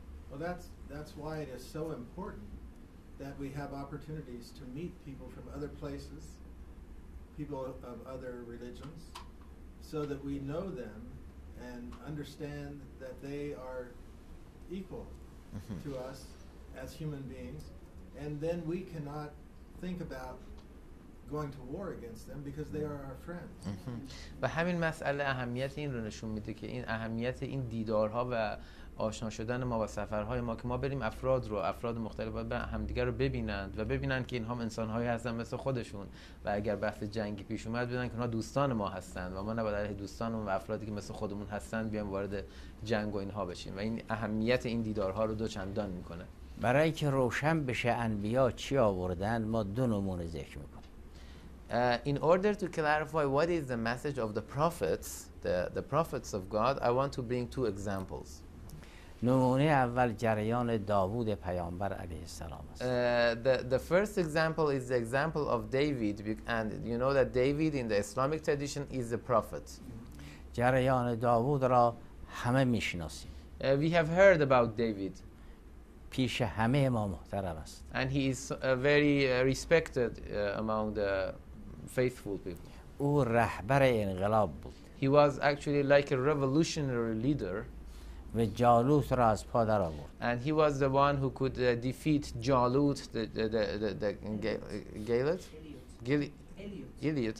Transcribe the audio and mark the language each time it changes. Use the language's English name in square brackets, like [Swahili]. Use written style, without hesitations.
[English] Well, that's why it is so important that we have opportunities to meet people from other places, people of other religions, so that we know them and understand that they are equal to us as human beings, and then we cannot think about going to war against them because they are our friends. [Persian] و همین مسئله اهمیت این رو نشون میده که این اهمیت این دیدارها و آشنا شدن ما با سفرهای ما که ما بریم افراد مختلف با همدیگر رو ببینند و ببینند که اینها انسان‌هایی هستند مثل خودشون و اگر بحث جنگی پیش اومد ببینند که اونها دوستان ما هستند و ما نباید علیه دوستانمون و افرادی که مثل خودمون هستند بیایم وارد جنگ و اینها بشیم و این اهمیت این دیدارها رو دوچندان میکنه. برای که روشن بشه انبیا چی آوردن ما دو نمونه ذکر میکنیم. [English] In order to clarify what is the message of the prophets, the prophets of God, I want to bring two examples. [Persian] نمونه اول جریان داوود پیامبر علیه السلام است. [English] The first example is the example of David, and you know that David in the Islamic tradition is the prophet. [Persian] جریان داوود را همه میشناسیم. [English] We have heard about David. [Persian] پیش همه ما محترم است. [English] And he is very respected among the faithful people. [Persian] او رهبر انقلاب بود. [English] He was actually like a revolutionary leader. [Persian] و جالوت را از پادر آورد. [English] And he was the one who could defeat Jalut, the Gilead.